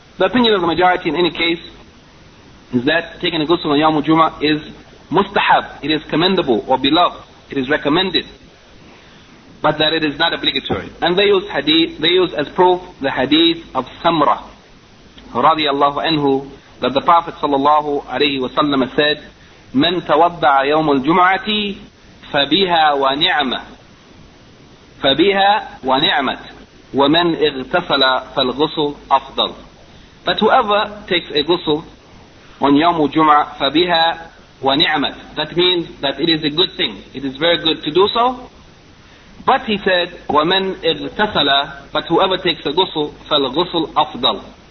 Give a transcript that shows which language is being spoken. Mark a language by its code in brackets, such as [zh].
[en] The opinion of the majority in any case is that taking a ghusl on Yawm al-Jum'ah is mustahab, it is commendable or beloved, it is recommended, but that it is not obligatory. And they use hadith, they use as proof the hadith of Samra radiallahu anhu, that the Prophet sallallahu alayhi wa sallam said, [ar] مَنْ تَوَضَّعَ يَوْمُ الْجُمْعَةِ فَبِهَا وَنِعْمَةِ. فبها ونعمت ومن اغتسل فالغسل أفضل. [en] But whoever takes a ghusl on Yawm al-Jum'ah, [ar] فَبِهَا وَنِعْمَةٌ. [en] That means that it is a good thing. It is very good to do so. But he said, [ar] وَمَنْ اِغْتَسَلَ, [en] but whoever takes a ghusl, [ar] فَالْغُسُلْ أَفْضَلْ.